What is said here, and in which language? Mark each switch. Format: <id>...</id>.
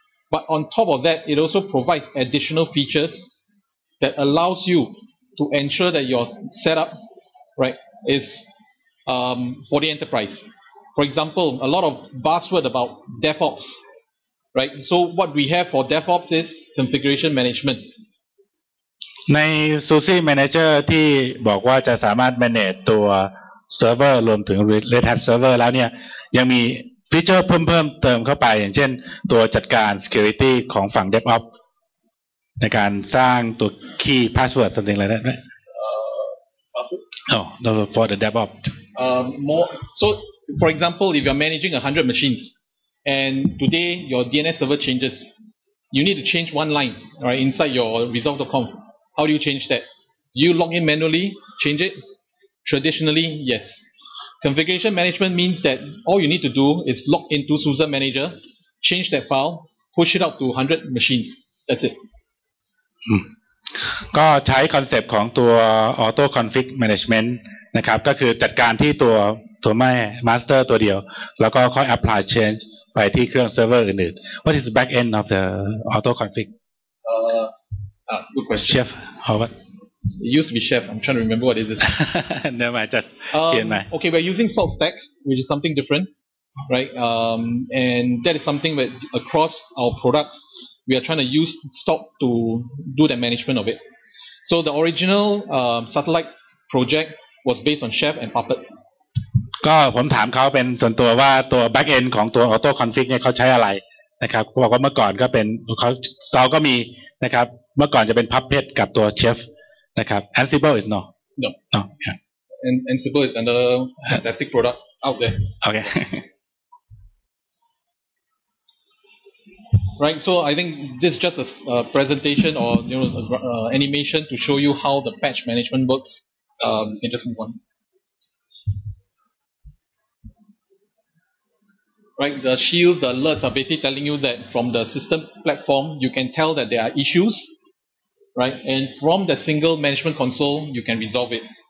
<en>But on top of that, it also provides additional features that allows you to ensure that your setup, right, is for the enterprise. For example, a lot of buzzword about DevOps, right? So what we have for DevOps is configuration management.</en> <th>ใน SUSE Manager ที่บอกว่าจะสามารถ manage ตัว server รวมถึง Red Hat server แล้วเนี่ยยังมี feature เพิ่มเติมเข้าไปอย่างเช่นตัวจัดการ security ของฝั่ง DevOps ในการสร้างตัว key password</th> <en>something like that right? Password? No, for the DevOps. So for example, if you're managing 100 machines and today your DNS server changes, you need to change one line right, inside your resolve.conf. How do you change that? You log in manually, change it? Traditionally, yes. Configuration management means that all you need to do is log into SUSE Manager, change that file, push it out to 100 machines. That's it.</en> <th>ก็ใช้คอนเซปต์ของตัว Auto Config Management นะครับก็คือจัดการที่ตัวแม่ Master ตัวเดียวแล้วก็ค่อย Apply Change ไปที่เครื่องเซิร์ฟเวอร์อื่นๆ</th> <en>What is the back end of the Auto Config? Good question. Chef, how about? It used to be Chef. I'm trying to remember what is it. Never mind, just Okay, we're using SaltStack, which is something different, right? And that is something that across our products, we are trying to use Stop to do the management of it. So the original satellite project was based on Chef and Puppet.</en> <th>ก็ผมถามเขาเป็นส่วนตัวว่าตัว back end ของตัว auto config เนี่ยเขาใช้อะไรนะครับเขาบอกว่าเมื่อก่อนก็เป็นเขาซอลก็มีนะครับเมื่อก่อนจะเป็น Puppet กับตัว Chef นะครับ</th> <en>Ansible is no no no yeah. And Ansible is another fantastic product out there okay right so I think this is just a presentation or you know animation to show you how the patch management works you can just move on right the shields the alerts are basically telling you that from the system platform you can tell that there are issuesRight, and from the single management console, you can resolve it.</en>